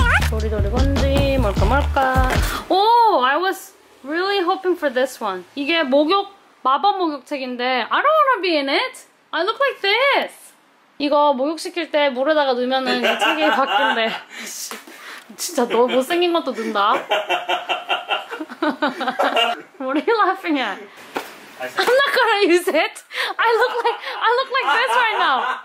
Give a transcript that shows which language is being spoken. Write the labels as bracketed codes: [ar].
[ko] 도리도리 건지 뭘까 뭘까. [en] Oh, I was really hoping for this one. [ko] 이게 목욕, 마법 목욕책인데 [en] I don't wanna be in it. I look like this. [ko] 이거 목욕시킬 때 물에다가 넣으면은 책이 바뀐대. 진짜 너 못생긴 것도 든다. [en] What are you laughing at? I'm not gonna use it. I look like this right now.